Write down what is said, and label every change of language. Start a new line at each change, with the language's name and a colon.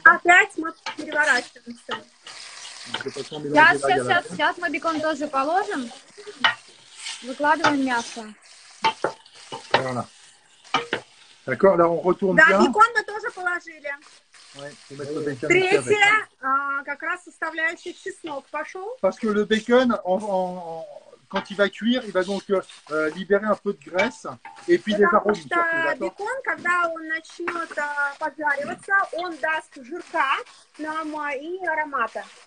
Russian: опять мы переворачиваемся. Сейчас мы бекон тоже положим. Выкладываем мясо.
French: D'accord, alors on retourne bien.
Russian: Да, бекон мы тоже положили. Третья, как раз составляющая чеснок пошел.
French: Parce que le bacon, quand il va cuire, il va donc libérer un peu de graisse et puis des arômes.
Russian: Потому что бекон, когда он начнет поджариваться, он даст жирка нам и аромата.